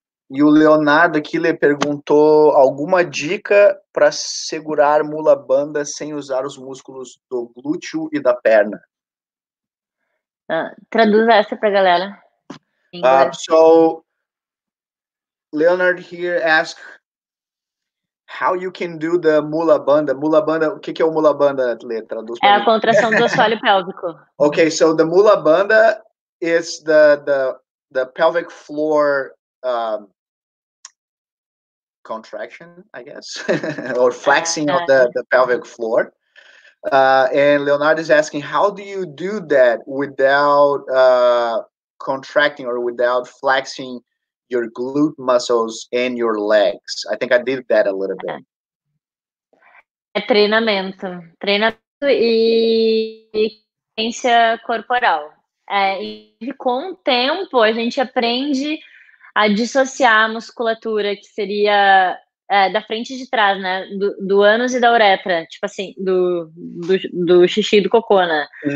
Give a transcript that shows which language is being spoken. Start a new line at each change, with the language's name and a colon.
Portuguese: E o Leonardo aqui lhe perguntou alguma dica para segurar mula banda sem usar os músculos do glúteo e da perna. Traduza essa pra galera.
English: So, Leonard here asks how you can do the mula banda.
Portuguese: Mula banda, o que que é o mula banda, Lê? Traduz pra mim. A contração do assoalho pélvico.
English: Okay, so the mula banda is the pelvic floor contraction, I guess, or flexing of the pelvic floor. And Leonardo is asking, how do you do that without contracting or without flexing your glute muscles and your legs? I think I did that a little bit.
Portuguese: É treinamento. Treinamento e consciência corporal. E com o tempo, a gente aprende a dissociar a musculatura que seria da frente de trás, né? Do ânus e da uretra, tipo assim, do xixi e do cocô, né?